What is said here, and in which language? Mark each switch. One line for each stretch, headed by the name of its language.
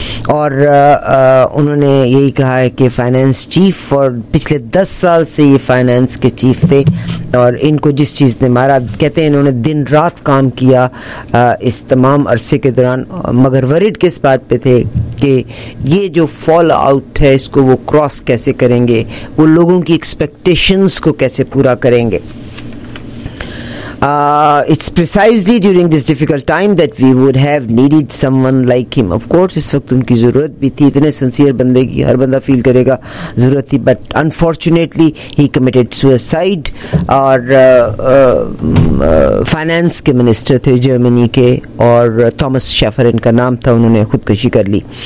Hindi: और उन्होंने यही कहा है कि फाइनेंस चीफ, और पिछले 10 साल से ये फाइनेंस के चीफ थे, और इनको जिस चीज़ ने मारा, कहते हैं इन्होंने दिन रात काम किया इस तमाम अरसे के दौरान, मगर वरिड किस बात पे थे कि ये जो फॉल आउट है इसको वो क्रॉस कैसे करेंगे, वो लोगों की एक्सपेक्टेशंस को कैसे पूरा करेंगे.
English: It's precisely during this difficult time that we would have needed someone like him. Of course,
Hindi: इस वक्त उनकी ज़रूरत भी थी, इतने सिंसियर बंदे की हर बंदा फील करेगा ज़रूरत थी.
English: But unfortunately, he committed suicide.
Hindi: और फाइनेंस के मिनिस्टर थे जर्मनी के, और थॉमस शेफर इनका नाम था, उन्होंने खुदकशी कर ली.